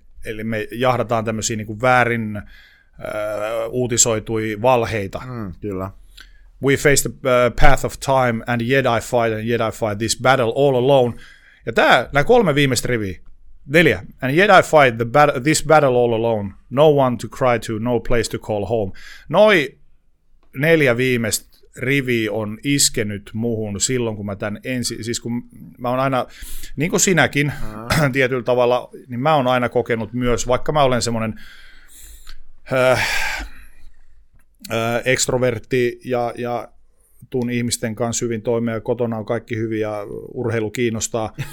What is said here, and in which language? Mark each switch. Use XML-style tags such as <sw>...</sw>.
<fi>Eli me jahdataan tämmöisiä niin kuin väärin uutisoitui valheita. Mm, kyllä.</fi> <en>We face the path of time and yet I fight this battle all alone.</en> <fi>Ja nämä kolme viimeistä riviä. Neljä.</fi> <en>And yet I fight this battle all alone. No one to cry to, no place to call home.</en> <fi>Noi neljä viimeistä riviä on iskenyt muhun silloin, kun mä tämän ensin, siis kun mä oon aina, niin kuin sinäkin tietyllä tavalla, niin mä oon aina kokenut myös, vaikka mä olen semmoinen ekstrovertti ja tuun ihmisten kanssa hyvin toimeen, kotona on kaikki hyvin ja urheilu kiinnostaa.</fi>